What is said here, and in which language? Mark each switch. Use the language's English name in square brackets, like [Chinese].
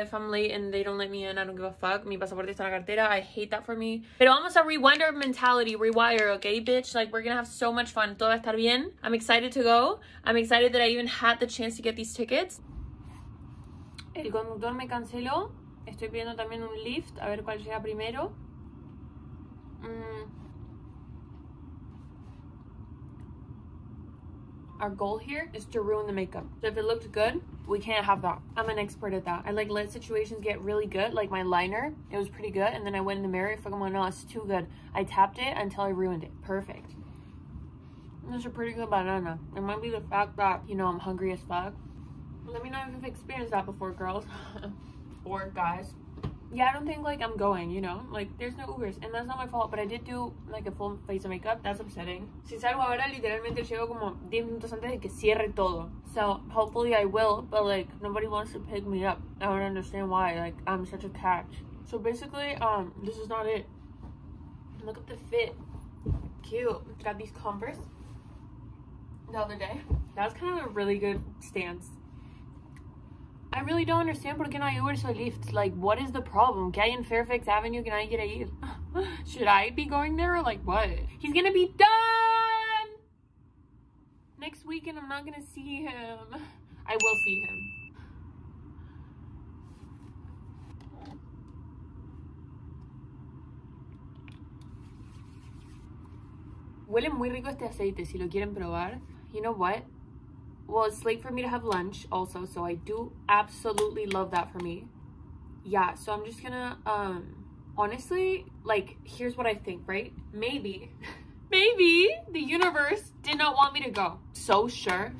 [English] If I'm late and they don't let me in, I don't give a fuck. [Spanish] Mi pasaporte está en la cartera. [English] I hate that for me. [Spanish] Pero vamos a [English] rewinder mentality, rewire, okay, bitch? Like, we're gonna have so much fun. [Spanish] Todo va a estar bien. [English] I'm excited to go. I'm excited that I even had the chance to get these tickets. [Spanish] El conductor me canceló. Estoy pidiendo también un Lyft, a ver cuál llega primero. [English] Our goal here is to ruin the makeup. So if it looks good, we can't have that. I'm an expert at that. I like let situations get really good, like my liner, it was pretty good. And then I went in the mirror, fuck, I'm like, no, it's too good. I tapped it until I ruined it. Perfect. That's a pretty good banana. It might be the fact that, you know, I'm hungry as fuck. Let me know if you've experienced that before, girls. Or guys. Yeah, I don't think, like, I'm going, you know? Like, there's no Ubers, and that's not my fault, but I did do, like, a full face of makeup. That's upsetting. [Spanish] Si salgo ahora, literalmente llego como 10 minutos antes de que cierre todo. [English] So, hopefully I will, but, like, nobody wants to pick me up. I don't understand why, like, I'm such a catch. So, basically, this is not it. Look at the fit. Cute. Got these Converse the other day. That was kind of a really good stance. I really don't understand [Spanish] porque no hay [English] Ubers or Lyft. Like, what is the problem? [Spanish] ¿Qué hay en Fairfax Avenue? ¿Qué hay que ir? [English] Should I be going there or like what? He's gonna be done next week and I'm not gonna see him. I will see him. [Spanish] Huele muy rico este aceite, si lo quieren probar. [English] You know what? Well, it's late for me to have lunch also, so I do absolutely love that for me. Yeah, so I'm just gonna, honestly, like, here's what I think, right? Maybe, maybe the universe did not want me to go. So sure.